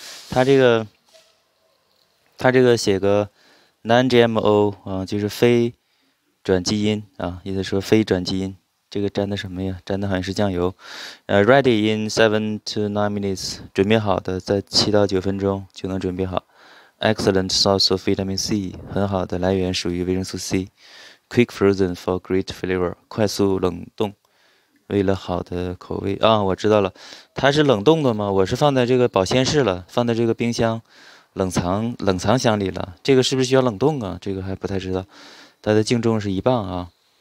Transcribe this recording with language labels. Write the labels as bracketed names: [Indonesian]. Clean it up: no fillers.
[Chinese] 它这个写个 non-GMO 啊，就是非转基因啊，意思说非转基因。这个沾的什么呀？沾的好像是酱油。 [English] Ready in 7 to 9 minutes， [Chinese] 准备好的在7到9分钟就能准备好。 [English] Excellent source of vitamin C， [Chinese] 很好的来源属于维生素 C。 [English] Quick frozen for great flavor， [Chinese] 快速冷冻，为了好的口味啊。我知道了，它是冷冻的吗？我是放在这个保鲜室了，放在这个冰箱冷藏箱里了。这个是不是需要冷冻啊？这个还不太知道。它的净重是1磅啊。